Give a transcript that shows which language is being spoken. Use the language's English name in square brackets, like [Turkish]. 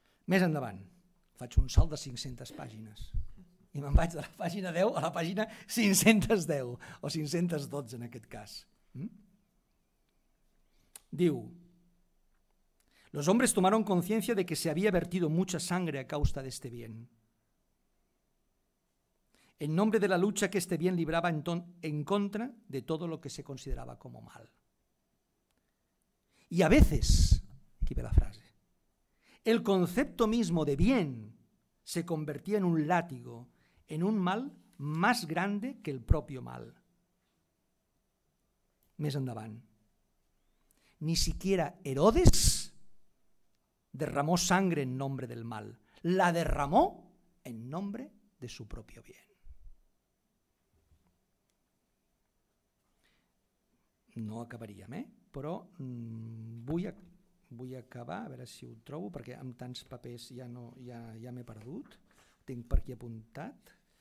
[Catalan] Més endavant, faig un salt de 500 pàgines i me'n vaig de la pàgina 10 a la pàgina 510 o 512 en aquest cas. [Spanish] Diu: los hombres tomaron conciencia de que se había vertido mucha sangre a causa de este bien. En nombre de la lucha que este bien libraba en contra de todo lo que se consideraba como mal. Y a veces, aquí ve la frase, el concepto mismo de bien se convertía en un látigo, en un mal más grande que el propio mal. [Catalan] Més endavant. [Spanish] Ni siquiera Herodes derramó sangre en nombre del mal. la derramó en nombre de su propio bien. [Catalan] No acabaríem, però vull acabar, a veure si ho trobo, perquè amb tants papers ja m'he perdut. Ho tinc per aquí apuntat.